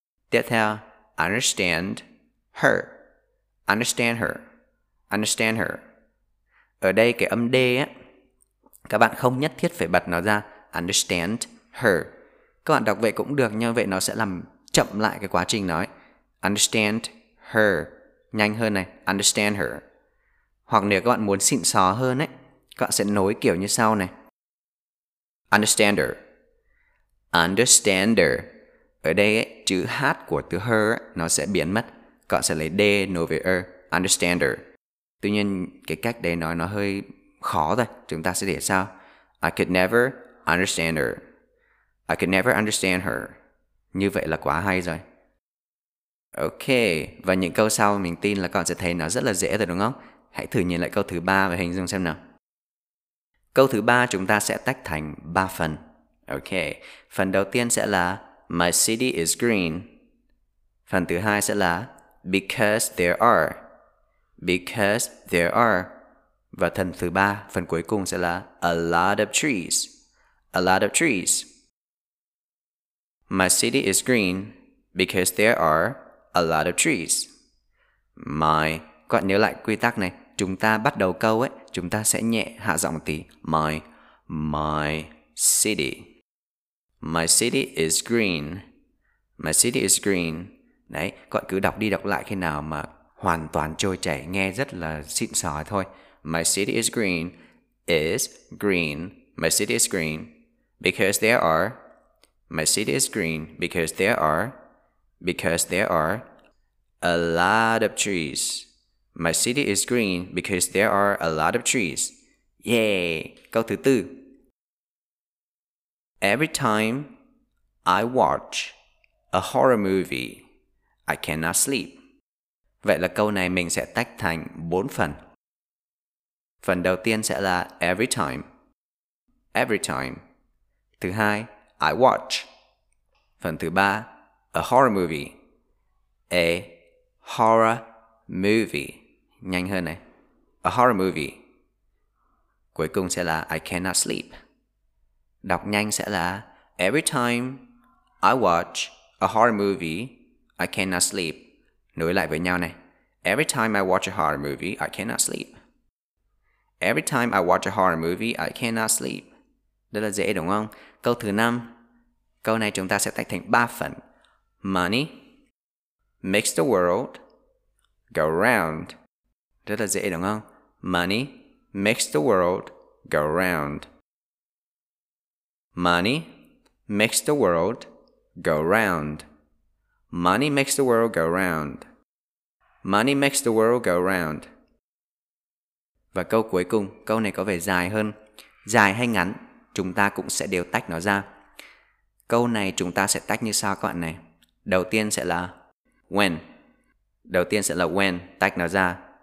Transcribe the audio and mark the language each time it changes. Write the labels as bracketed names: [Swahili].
[Vietnamese] Tiếp theo, [English] understand her. Understand her. Understand her. [Vietnamese] Ở đây cái âm D á, các bạn không nhất thiết phải bật nó ra. [English] Understand her. [Vietnamese] Các bạn đọc vậy cũng được, nhưng vậy nó sẽ làm chậm lại cái quá trình nói. [English] Understand her. [Vietnamese] Nhanh hơn này. [English] Understand her. [Vietnamese] Hoặc nếu các bạn muốn xịn xò hơn ấy, các bạn sẽ nối kiểu như sau này. [English] Understand her. Understand her. [Vietnamese] Ở đây ấy, chữ H của từ her nó sẽ biến mất. Các bạn sẽ lấy D nối với her. [English] Understand her. [Vietnamese] Tuy nhiên cái cách để nói nó hơi khó rồi. Chúng ta sẽ để sao? [English] I could never understand her. I could never understand her. [Vietnamese] Như vậy là quá hay rồi. Ok, và những câu sau mình tin là các bạn sẽ thấy nó rất là dễ rồi đúng không? Hãy thử nhìn lại câu thứ 3 và hình dung xem nào. Câu thứ 3 chúng ta sẽ tách thành 3 phần. Ok, phần đầu tiên sẽ là [English] My city is green. [Vietnamese] Phần thứ 2 sẽ là [English] Because there are. Because there are. [Vietnamese] Và phần thứ 3, phần cuối cùng sẽ là [English] A lot of trees. A lot of trees. My city is green because there are a lot of trees. [Vietnamese] My, các bạn nhớ lại quy tắc này, chúng ta bắt đầu câu ấy, chúng ta sẽ nhẹ hạ giọng một tí. [English] My, my city. My city is green. My city is green. [Vietnamese] Đấy, các bạn cứ đọc đi đọc lại khi nào mà hoàn toàn trôi chảy, nghe rất là xịn sò thôi. [English] My city is green. Is green. My city is green. Because there are. My city is green because there are. Because there are a lot of trees. My city is green because there are a lot of trees. [Vietnamese] Yay! Câu thứ tư. [English] Every time I watch a horror movie, I cannot sleep. [Vietnamese] Vậy là câu này mình sẽ tách thành 4 phần. Phần đầu tiên sẽ là [English] every time. Every time. [Vietnamese] Thứ hai, [English] I watch. [Vietnamese] Phần thứ ba, [English] a horror movie. A horror movie. [Vietnamese] Nhanh hơn này. [English] A horror movie. [Vietnamese] Cuối cùng sẽ là [English] I cannot sleep. [Vietnamese] Đọc nhanh sẽ là [English] every time I watch a horror movie, I cannot sleep. [Vietnamese] Nối lại với nhau này. [English] Every time I watch a horror movie, I cannot sleep. Every time I watch a horror movie, I cannot sleep. [Vietnamese] Rất là dễ đúng không? Câu thứ 5. Câu này chúng ta sẽ tách thành 3 phần. [English] Money makes the world go round. [Vietnamese] Rất là dễ đúng không? [English] Money makes the world go round. Money makes the world go round. Money makes the world go round. Money makes the world go round. [Vietnamese] Và câu cuối cùng, câu này có vẻ dài hơn. Dài hay ngắn, chúng ta cũng sẽ đều tách nó ra. Câu này chúng ta sẽ tách như sau các bạn này. Đầu tiên sẽ là [English] when. [Vietnamese] Đầu tiên sẽ là when, tách nó ra.